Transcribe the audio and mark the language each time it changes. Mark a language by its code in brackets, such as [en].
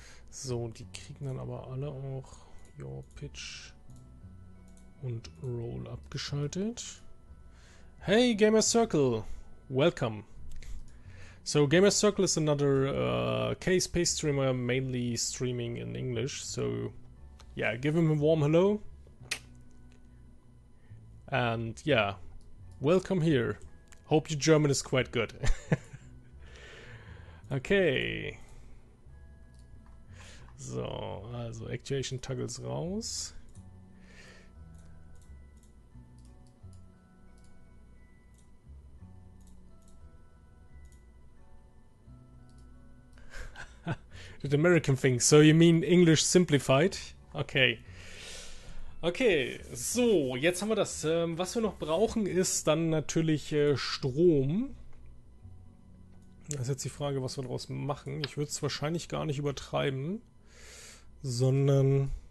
[de] So, die kriegen dann aber alle auch Your Pitch und Roll abgeschaltet. [en] Hey Gamer Circle, welcome. So Gamer Circle is another K-Space streamer, mainly streaming in English. So yeah, give him a warm hello. And yeah, welcome here. Hope your German is quite good. Okay. [de] So, also Actuation Toggles raus. [en] The American thing. So you mean English simplified? Okay. [de] Okay, so, jetzt haben wir das. Was wir noch brauchen, ist dann natürlich Strom. Das ist jetzt die Frage, was wir daraus machen. Ich würde es wahrscheinlich gar nicht übertreiben. Sondern.